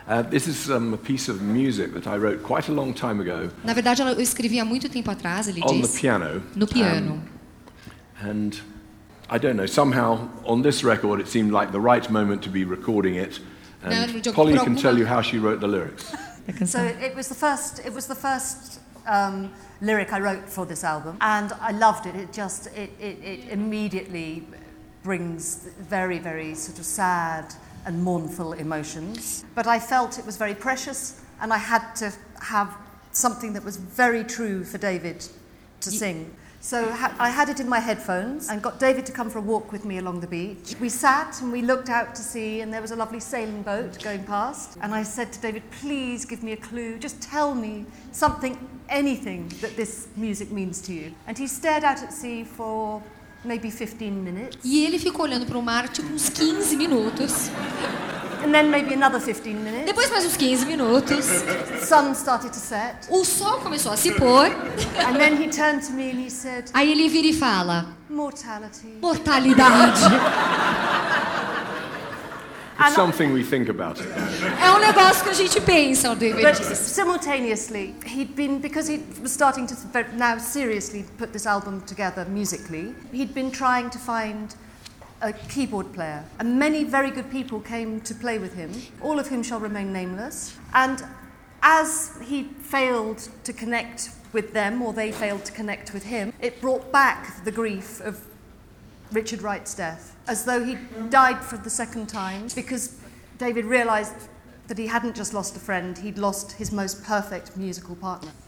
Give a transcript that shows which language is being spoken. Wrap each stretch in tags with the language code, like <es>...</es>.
<en>This is a piece of music that I wrote quite a long time ago.</en> <pt>Na verdade, eu escrevi há muito tempo atrás, ele</pt> <en>on</en> <pt>diz.</pt> <en>On the piano.</en> <pt>No piano.</pt> <en>And I don't know, somehow on this record it seemed like the right moment to be recording it. And Polly can tell you how she wrote the lyrics. So it was the first lyric I wrote for this album, and I loved it. It immediately brings very, very sort of sad and mournful emotions. But I felt it was very precious, and I had to have something that was very true for David to sing. So I had it in my headphones and got David to come for a walk with me along the beach. We sat and we looked out to sea, and there was a lovely sailing boat going past. And I said to David, please give me a clue. Just tell me something, anything that this music means to you. And he stared out at sea for maybe 15 minutes.</en> <pt>E ele ficou olhando para o mar tipo uns 15 minutos.</pt> <en>And then maybe another 15 minutes.</en> <pt>Depois mais uns 15 minutos.</pt> <en>The sun started to set.</en> <pt>O sol começou a se pôr.</pt> <en>And then he turned to me and he said.</en> <pt>Aí ele vira e fala.</pt> <en>Mortality.</en> <pt>Mortalidade.</pt> <en>It's something we think about.</en> <pt>É um negócio que a gente pensa, David.</pt> <en>But simultaneously, he'd been, because he was starting to now seriously put this album together musically, he'd been trying to find a keyboard player. And many very good people came to play with him, all of whom shall remain nameless. And as he failed to connect with them, or they failed to connect with him, it brought back the grief of Richard Wright's death, as though he died for the second time, because David realized that he hadn't just lost a friend, he'd lost his most perfect musical partner.</en>